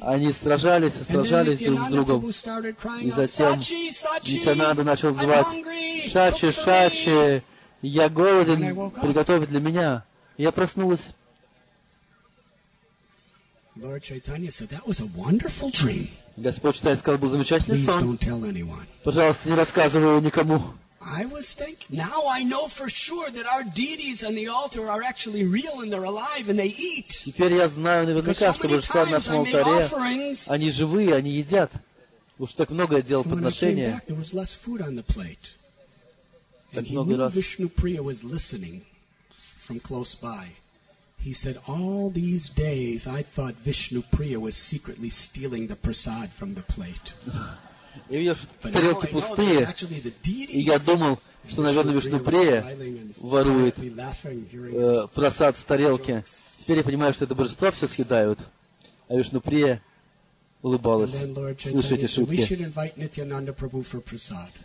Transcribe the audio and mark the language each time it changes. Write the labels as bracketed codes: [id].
[ru] Они сражались и сражались друг с другом. И затем Нитьянанда начал звать, Сачи, Сачи, я голоден, приготовь для меня. И я проснулась. Господь Чайтанья сказал, был замечательный сон. Пожалуйста, не рассказывай его никому. [en] I was thinking. Now I know for sure that our deities on the altar are actually real and they're alive and they eat. [ru] Теперь я знаю наверняка, что божества на нашем алтаре, они живые, они едят. Уж так много я делал подношения. [en] There was less food on the plate. [ru] Так много раз. [en] Вишнуприя was listening from close by. He said, "All these days I thought Vishnupriya was secretly stealing the prasad from the plate." [ru] Я видел, что тарелки пустые, и я думал, что, наверное, Вишнуприя ворует просад с тарелки. Теперь я понимаю, что это божества все съедают, а Вишнуприя улыбалась, слыша эти шутки.